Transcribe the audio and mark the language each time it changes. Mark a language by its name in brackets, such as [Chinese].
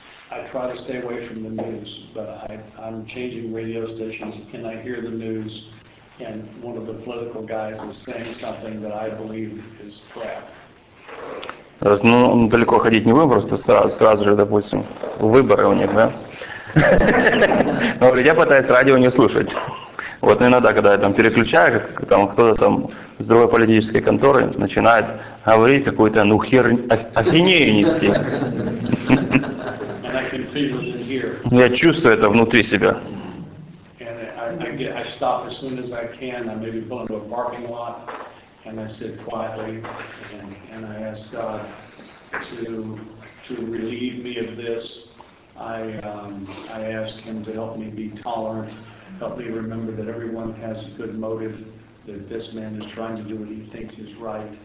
[English] I try to stay away from the news, but I'm changing radio stations and I hear the news and one of the political guys is saying something that I believe is crap. [Russian] Ну, далеко ходить не будем, просто сразу же, допустим, выборы у них, да? Но я пытаюсь радио не слушать. Вот иногда, когда я там переключаю, как, там кто-то там с другой политической конторы начинает говорить какую-то ну ахинею нести. Я чувствую это внутри себя. [English] I stop as soon as I can. I maybe pull into a parking lot and I sit quietly and I ask God to relieve me of this. I ask him to help me be tolerant, help me remember that everyone has a good motive, that this man is trying to do what he thinks is right.